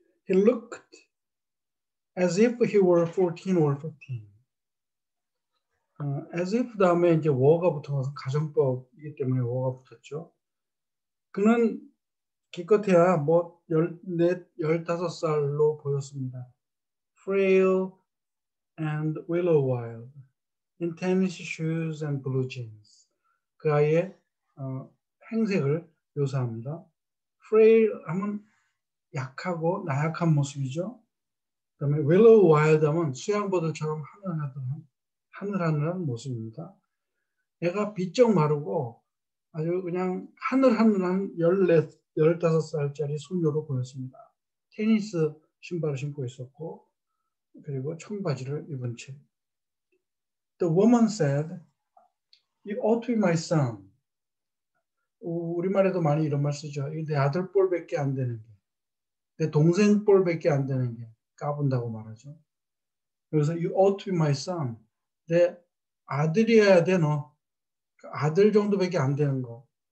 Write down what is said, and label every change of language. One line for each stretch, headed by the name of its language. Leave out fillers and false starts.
English: He looked as if he were 14 or 15. As if
Korean: 다음에 이제 워가 붙어서 가정법이기 때문에 워가 붙었죠. 그는 기껏해야 뭐 열다섯 살로 보였습니다.
English: Frail and willow-wild, in tennis shoes and blue jeans.
Korean: 그 아이의 행색을 묘사합니다. Frail 하면 약하고 나약한 모습이죠. 그다음에 willow-wild 하면 수양버들처럼 하늘하늘한 모습입니다. 애가 비쩍 마르고 아주 그냥 하늘하늘한 15살짜리 소녀로 보였습니다. 테니스 신발을 신고 있었고, 그리고 청바지를 입은 채.
English: The woman said, "You ought to be my son."
Korean: 우리말에도 많이 이런 말 쓰죠. 이게 내 아들뻘밖에 안 되는 게, 내 동생뻘밖에 안 되는 게 까분다고 말하죠. 그래서
English: "You ought to be my son."
Korean: 내 아들이어야 돼, 너. 아들 정도밖에 안 되는 거.